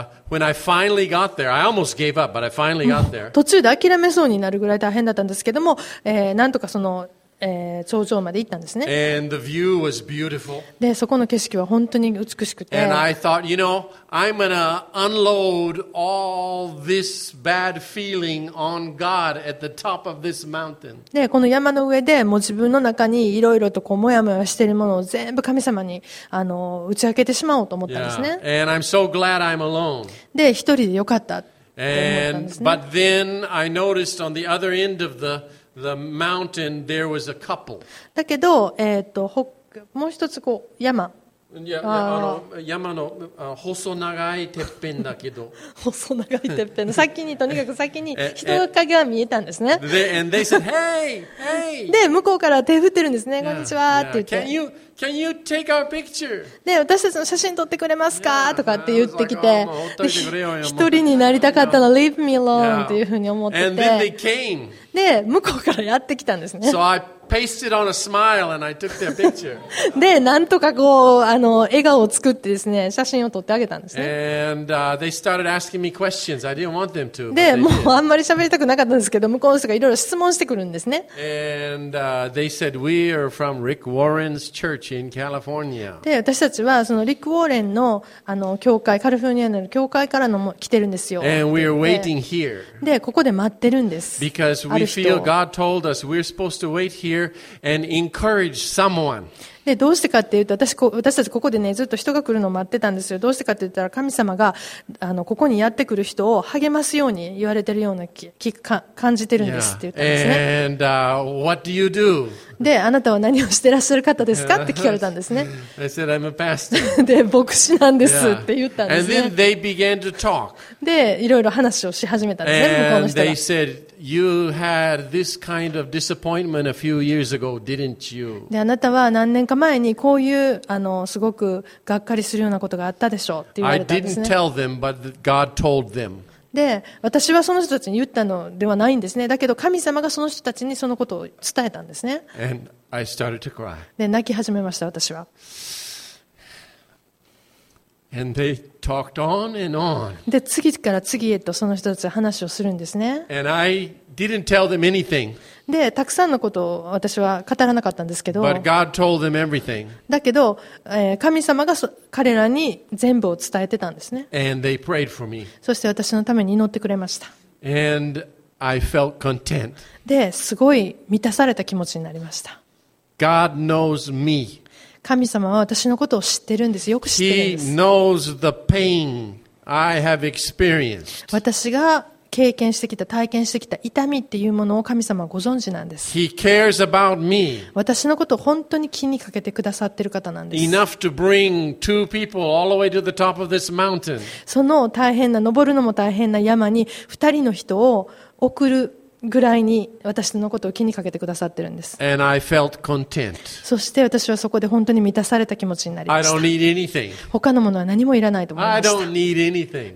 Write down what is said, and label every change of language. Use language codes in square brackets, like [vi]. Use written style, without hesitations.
[en] When I finally got there, I almost gave up, but I finally got there. [ja] 途中で諦めそうになるぐらい大変だったんですけども、なんとかその、頂上まで行ったんですね。 [en] And the view was beautiful. [ja] で、そこの景色は本当に美しくて。 [en] And I thought, you know, I'm gonna unload all this bad feeling on God at the top of this mountain. [ja] で、この山の上でもう自分の中にいろいろとこうもやもやしているものを全部神様に打ち明けてしまおうと思ったんですね。 [en] Yeah. And I'm so glad I'm alone. [ja] で、一人でよかったって思ったんですね。 [en] And, but then I noticed on the other end of the mountain, there was a couple. [ja] だけど、もう一つこう山。いや、山の細長いてっぺんだけど。細長いてっぺんの先に、とにかく先に人影が見えたんですね。 [en] And they said, hey, hey. [ja] で、向こうから手振ってるんですね。こんにちはって言って。 [en] Can you take our picture? [ja] で、私たちの写真撮ってくれますか、 [en] yeah. [ja] とかって言ってきて、 [en] like, oh, [ja] 一人になりたかったの、 [en] leave me alone、yeah. [ja] っていうふうに思ってて。 [en] And then they came. [ja] で、向こうからやってきたんですね。 [en] So I pasted on a smile and I took their picture. [ja] で、なんとかこう、笑顔を作ってですね、写真を撮ってあげたんですね。 [en] And, they started asking me questions. I didn't want them to. [ja] で、もうあんまり喋りたくなかったんですけど、向こうの人がいろいろ質問してくるんですね。 [en] And, they said, we are from Rick Warren's church in California. [ja] で、私たちは、そのリック・ウォーレンの、教会、カリフォルニアの教会からの来てるんですよ。 [en] And we are waiting here. [ja] で、ここで待ってるんです。 [en] We feel God told us we're supposed to wait here and encourage someone. [ja] で、どうしてかっていうと、私たちここでね、ずっと人が来るのを待ってたんですよ。どうしてかって言ったら、神様が、ここにやってくる人を励ますように言われてるような感じてるんですって言ったんですね。 [en] Yeah. And, what do you do? [ja] で、あなたは何をしてらっしゃる方ですかって聞かれたんですね。 [en] I said, I'm a pastor. [ja] で、牧師なんですって言ったんですね。 [en] And then they began to talk. [ja] で、いろいろ話をし始めたんですね、向こうの人が。 [en] And they said,You had this kind of disappointment a few years ago, didn't you? [ja] で、あなたは何年か前にこういうすごくがっかりするようなことがあったでしょうって言われたんですね。 [en] I didn't tell them, but God told them. [ja] で、私はその人たちに言ったのではないんですね。だけど神様がその人たちにそのことを伝えたんですね。 [en] And I started to cry. [ja] で、泣き始めました、私は。 [en] And they talked on and on. [ja] で、次から次へとその人たちは話をするんですね。 [en] And I didn't tell them anything. [ja] で、たくさんのことを私は語らなかったんですけど。 [en] But God told them everything. [ja] だけど、神様が彼らに全部を伝えてたんですね。 [en] And they prayed for me. [ja] そして私のために祈ってくれました。 [en] And I felt content. [ja] で、すごい満たされた気持ちになりました。 [en] God knows me. [ja] 神様は私のことを知ってるんです。よく知ってるんです。 [en] He knows the pain I have experienced. [ja] 私が経験してきた、体験してきた痛みっていうものを神様はご存知なんです。 [en] He cares about me. [ja] 私のことを本当に気にかけてくださってる方なんです。 [en] Enough to bring two people all the way to the top of this mountain. [ja] その大変な、登るのも大変な山に二人の人を送るぐらいに私のことを気にかけてくださってるんです。 [en] And I felt content. [ja] そして私はそこで本当に満たされた気持ちになりました。 [en] I don't need anything. [ja] 他のものは何もいらないと思いました。 [en] I don't need anything.